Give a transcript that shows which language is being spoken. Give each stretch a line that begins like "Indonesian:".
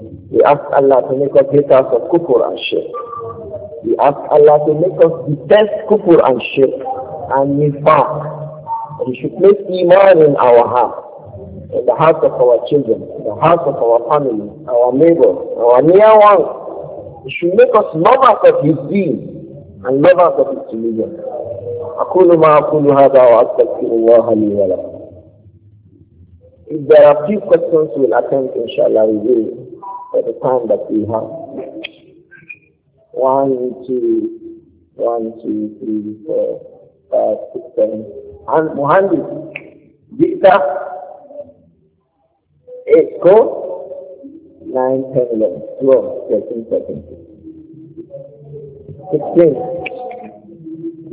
English: We ask Allah to make us haters of kufr and shirk. We ask Allah to make us detest kufr and shirk and nifaq. He should make iman in our heart, in the hearts of our children, in the hearts of our family, our neighbors, our near ones. He should make us lovers of his deen. And never got it to me yet.
Arabic: أقول ما أقول هذا وأستغفر الله لي ولكم.
English: If there are a few questions, we'll attempt, inshallah, we will. for the time that we have. 1, 2, 3, 4, 5, 6, 7. And Muhammad, Victor, 8, go, 9, 10, 11, 12, 13, 14, 16.